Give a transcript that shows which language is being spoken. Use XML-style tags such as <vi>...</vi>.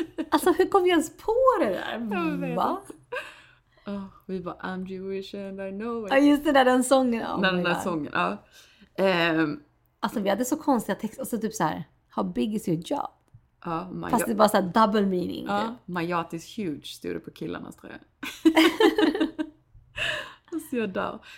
<sv>Alltså, hur kom vi ens på det där? Va? Oh, vi bara,</sv> <en>I'm Jewish and I know</en> <sv>it. Ja, just det där, den sången. Oh, den där sången, ja. Alltså, vi hade så konstiga texter. Och så typ så här,</sv> <en>how big is your job?</en> <sv>Ja, fast det bara så här,</sv> <en>double meaning.</en> <sv>Ja,</sv> <en>my yacht is huge,</en> <sv>stod det på killarnas tröja. Alltså, jag dör.</sv>